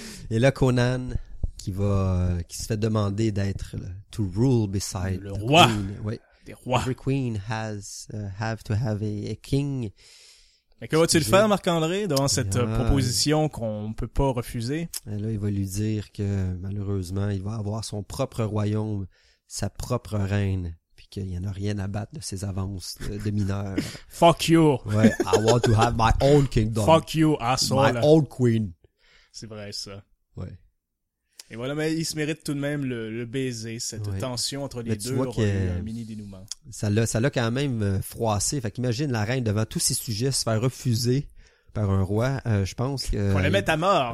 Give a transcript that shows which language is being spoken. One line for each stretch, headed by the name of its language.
French: Et là, Conan, qui se fait demander d'être, là,
English: to rule beside
French: le roi. Oui. Des rois.
English: Every queen has, have to have a king.
French: Mais que va-t-il faire, Marc-André, devant cette proposition qu'on ne peut pas refuser? Et là, il va lui dire que, malheureusement, il va avoir son propre royaume, sa propre reine, puis qu'il n'y en a rien à battre de ses avances de mineur.
English: Fuck you! Ouais, I want to have my own kingdom. Fuck you, asshole. My own queen.
French: C'est vrai, ça. Ouais. Et voilà, mais il se mérite tout de même le baiser, cette tension entre les deux, le mini dénouement. Ça l'a quand même froissé. Fait qu'imagine la reine devant tous ses sujets se faire refuser par un roi, je pense que... Pour le mettre à mort.